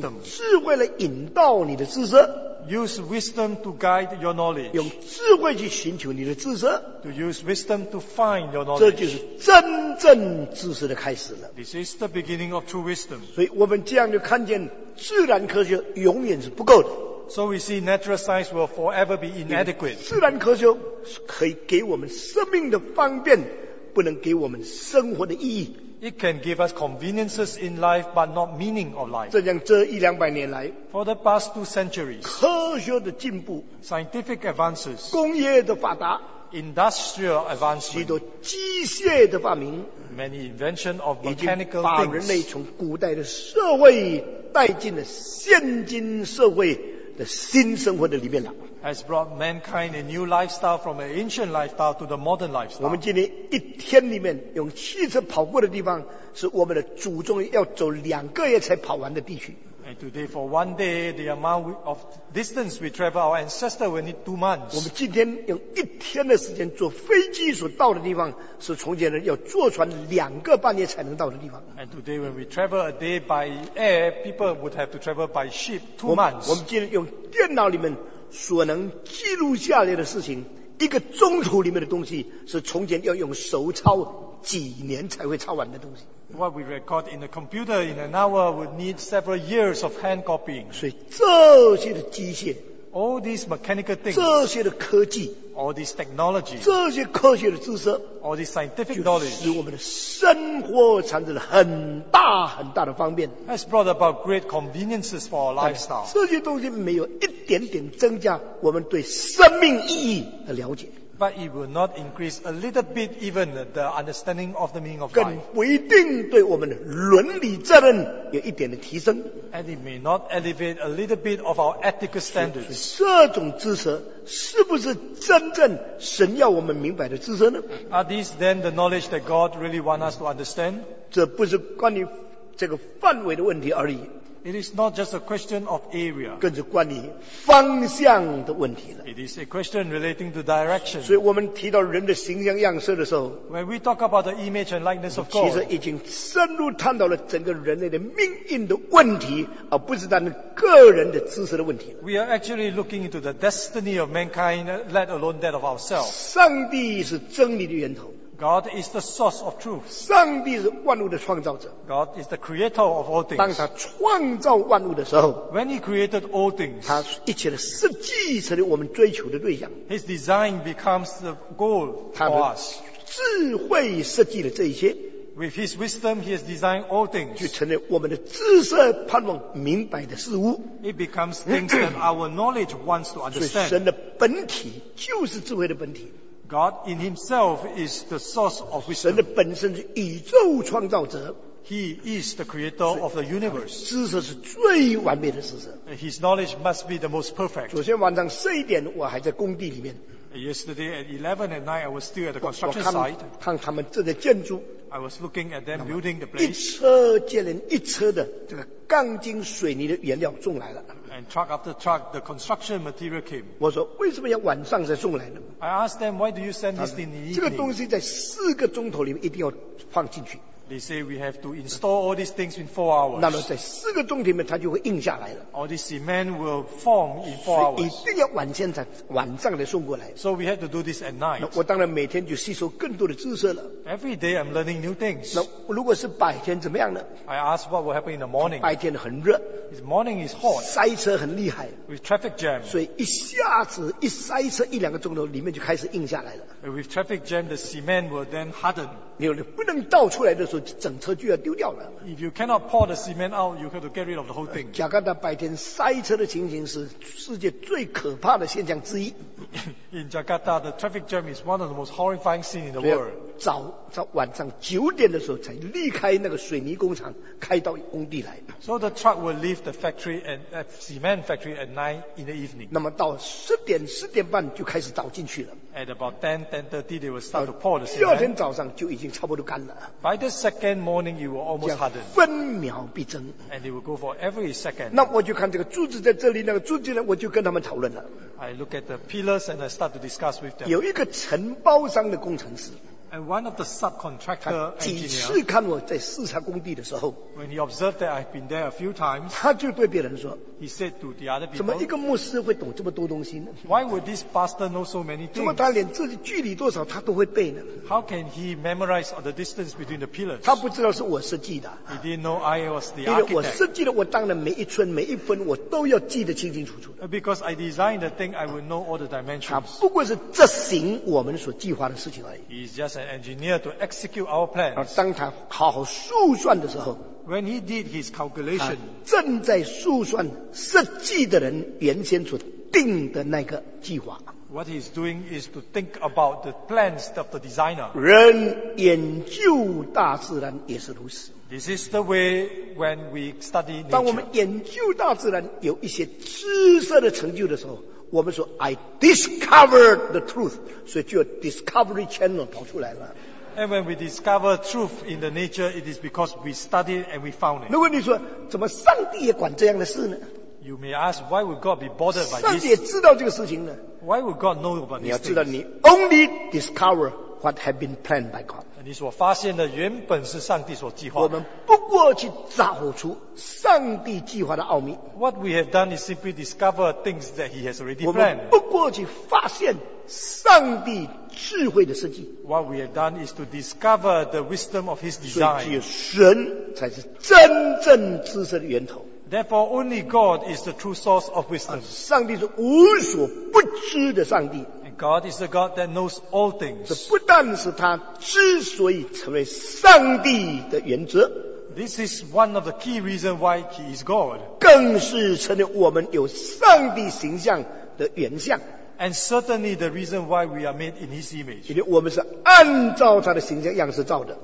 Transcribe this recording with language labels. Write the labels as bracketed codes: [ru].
[zh] 用智慧来引导你的知识。 [en] Use wisdom to guide your knowledge. [zh] 用智慧去寻求你的知识。 [en] To use wisdom to find your knowledge. [zh] 这就是真正知识的开始了。 [en] This is the beginning of true wisdom. [zh] 所以我们这样就看见自然科学永远是不够的。 [en] So we see natural science will forever be inadequate. [zh] 自然科学可以给我们生命的方便，不能给我们生活的意义。 [en] It can give us conveniences in life, but not meaning of life. [zh] 这样这一两百年来 [en] ，For the past two centuries, [zh] 科学的进步 [en] ，scientific advances, [zh] 工业的发达 [en] ，industrial advances, [zh] 许多机械的发明 [en] ，many invention of mechanical things, [zh] 已经把人类从古代的社会带进了现今社会的新生活的里面了。 [en] Has brought mankind a new lifestyle from an ancient lifestyle to the modern lifestyle. [zh] 我们今天一天里面用汽车跑过的地方，是我们的祖宗要走两个月才跑完的地区。 [en] A And today, for one day, the amount of distance we travel, our ancestor will need 2 months. [zh] 我们今天用一天的时间坐飞机所到的地方，是从前要坐船2个半月才能到的地方。 [en] And today, when we travel a day by air, people would have to travel by ship 2 months. [zh] 我们今天用电脑里面所能记录下来的事情，一个钟头里面的东西，是从前要用手抄几年才会抄完的东西。 [en] What we record in the computer in an hour would need several years of hand copying. [zh] 所以这些的机械 [en] ，all these mechanical things， [zh] 这些的科技 [en] ，all these technology， [zh] 这些科学的知识 [en] ，all these scientific knowledge， [zh] 使我们的生活产生了很大很大的方便。 [en] Has brought about great conveniences for our lifestyle. [zh] 这些东西没有一点点增加我们对生命意义的了解。 [en] But it will not increase a little bit even the understanding of the meaning of life. [zh] 更不一定对我们的伦理责任有一点的提升。 [en] And it may not elevate a little bit of our ethical standards. [zh] 这种知识是不是真正神要我们明白的知识呢？ [en] Are these then the knowledge that God really wants us to understand? [zh] 这不是关于这个范围的问题而已。 [en] It is not just a question of area. [zh] 更是关于方向的问题了。 [en] It is a question relating to direction. [zh] 所以我们提到人的形象样式的时候， [en] When we talk about the image and likeness of God, [zh] 其实已经深入探讨了整个人类的命运的问题，而不是单个人的知识的问题。 [en] We are actually looking into the destiny of mankind, let alone that of ourselves. [zh] 上帝是真理的源头。 [en] God is the source of truth. [zh] 上帝是万物的创造者。 [en] God is the creator of all things. [zh] 当他创造万物的时候， [en] When he created all things, [zh] 他一切的设计成了我们追求的对象。 [en] His design becomes the goal for us. [zh] 智慧设计了这一切。 [en] With his wisdom, he has designed all things. [zh] 就成了我们的知识盼望明白的事物。 [en] It becomes things that our knowledge wants to understand. [zh] 所以神的本体就是智慧的本体。 [en] God in himself is the source of wisdom. [zh] 神的本身是宇宙创造者。 [en] He is the creator of the universe. [zh] 知识是最完美的知识。 [en] His knowledge must be the most perfect. [zh] 昨天晚上11点我还在工地里面。 [en] Yesterday at 11 at night I was still at the construction site. [zh] 看他们正在建筑。 [en] I was looking at them building the place. [zh] 一车接连一车的这个钢筋水泥的原料送来了。 [en] And truck after truck, the construction material came. [zh] 我说为什么要晚上才送来呢？ [en] I asked them, why do you send this in the evening? [zh] 这个东西在4个钟头里面一定要放进去。 [en] They say we have to install all these things in 4 hours. [zh] 那么在4个钟头里面它就会硬下来了。 [en] All this cement will form in 4 hours. [zh] 所以一定要晚上才晚上才送过来。 [en] So we have to do this at night. [zh] 那我当然每天就吸收更多的知识了。 [en] Every day I'm learning new things. [zh] 那如果是白天怎么样呢？ [en] I ask what will happen in the morning. [zh] 白天很热。 [en] This morning is hot. [zh] 塞车很厉害。 [en] With traffic jam. [zh] 所以一下子一塞车一两个钟头里面就开始硬下来了。 [en] With traffic jam, the cement will then harden. [zh] 你不能倒出来的时候整车就要丢掉了。 [en] If you cannot pour the cement out, you have to get rid of the whole thing. [zh] 加拿大白天塞车的情形是世界最可怕的现象之一。 [en] In Jakarta, the traffic jam is one of the most horrifying scenes in the world. [zh] 早晚上9点的时候才离开那个水泥工厂，开到工地来。 [en] So the truck will leave the factory and cement factory at 9 in the evening. [zh] 那么到10点10点半就开始倒进去了。 [en] At about 10:30, they will start to pour the cement. [zh] 第二天早上就已经差不多干了。 [en] By the second morning, it will almost harden. [zh] 分秒必争。 [en] And it will go for every second. [zh] 那我就看这个柱子在这里，那个柱子呢，我就跟他们讨论了。 [en] I look at the pillars and I start to discuss with them. [zh] 有一个承包商的工程师。 [en] And one of the subcontractor engineer. [zh] 几次看我在视察工地的时候。 [en] When he observed that I've been there a few times. [zh] 他就对别人说。 [en] He said to the other people, [zh] 怎么一个牧师会懂这么多东西呢？ [en] Why would this pastor know so many things? [zh] 怎么他连这里距离多少他都会背呢？ [en] How can he memorize the distance between the pillars? [zh] 他不知道是我设计的。 [en] He didn't know I was the architect. [zh] 因为我设计的，我当然每一寸每一分我都要记得清清楚楚的。 [en] Because I designed the thing, I will know all the dimensions. [zh] 他不过是执行我们所计划的事情而已。 [en] He's just an engineer to execute our plans. [zh] 而当他好好速算的时候， [en] When he did his calculation, [zh] 正在速算设计的人原先所定的那个计划。 [en] What he's doing is to think about the plans of the designer. [zh] 人研究大自然也是如此。 [en] This is the way when we study nature. [zh] 当我们研究大自然有一些知识的成就的时候，我们说 [en] I discovered the truth, [zh] 所以就有 discovery channel 跑出来了。 [en] And when we discover truth in the nature, it is because we studied and we found it. [zh] 如果你说怎么上帝也管这样的事呢？ [en] You may ask, why would God be bothered by this? [zh] 上帝也知道这个事情呢？ [en] Why would God know about this? [zh] 你要知道，你 [en] only discover what had been planned by God. [zh] 你所发现的原本是上帝所计划的。我们不过去找出上帝计划的奥秘。 [en] What we have done is simply discover things that He has already planned. [zh] 我们不过去发现上帝智慧的设计。 [en] What we have done is to discover the wisdom of His design. [zh] 所以只有神才是真正知识的源头。 [en] Therefore, only God is the true source of wisdom. [zh] 上帝是无所不知的上帝。 [en] And God is the God that knows all things. [zh] 这不但是他之所以成为上帝的原则。 [en] This is one of the key reasons why He is God. [zh] 更是成为我们有上帝形象的原像。 [en] And certainly the reason why we are made in His image. [zh] 因为我们是按照他的形象样式造的。